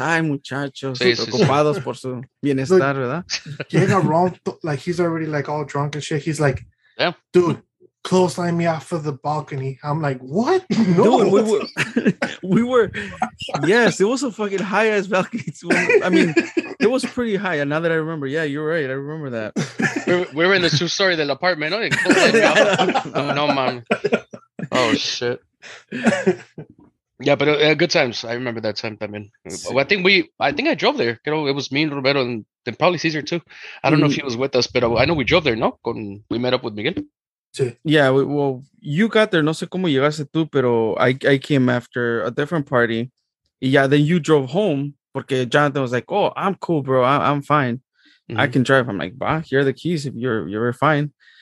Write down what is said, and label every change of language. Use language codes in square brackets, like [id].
[es] Ay, muchachos, sí, preocupados por su bienestar, verdad? Llega [en] Rom, like he's already like all drunk and shit. He's like, yeah, dude. Clothesline me off of the balcony. I'm like, what? No, dude, we were, yes, it was a fucking high ass balcony. I mean, it was pretty high. And now that I remember, yeah, you're right. I remember that. We were in the two story del apartment. Oh, no, man. Oh, shit. Yeah, but good times. I remember that time. I mean, sí. I think I drove there. You know, it was me and Roberto and then probably Caesar too. I don't know if he was with us, but I know we drove there, no? We met up with Miguel. [es] Sí. [en] Yeah, well, you got there. [es] No sé cómo llegaste tú, pero [en] I came after a different party. Yeah, then you drove home [es] porque [en] Jonathan was like, oh, I'm cool, bro. I'm fine. Mm-hmm. I can drive. I'm like, bah, here are the keys if you're fine.